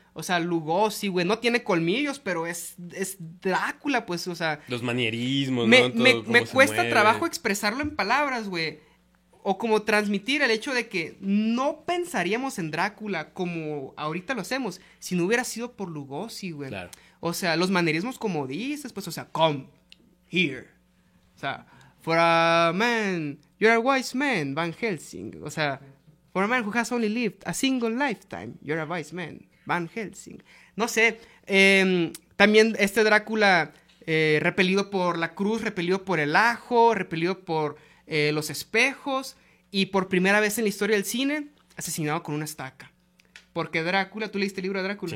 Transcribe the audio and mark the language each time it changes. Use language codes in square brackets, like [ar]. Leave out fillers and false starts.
[es] O sea, Lugosi, güey, no tiene colmillos, pero es Drácula, pues, o sea... Los manierismos, me, ¿no? Todo, me cuesta trabajo expresarlo en palabras, güey. O como transmitir el hecho de que no pensaríamos en Drácula como ahorita lo hacemos si no hubiera sido por Lugosi, güey. Claro. O sea, los manierismos como dices, pues, o sea, [en] come here. [es] O sea, [en] for a man, you're a wise man, [es] Van Helsing. O sea, [en] for a man who has only lived a single lifetime, you're a wise man. [es] Van Helsing. No sé. También este Drácula repelido por la cruz, repelido por el ajo, repelido por los espejos. Y por primera vez en la historia del cine, asesinado con una estaca. Porque Drácula, ¿tú leíste el libro de Drácula?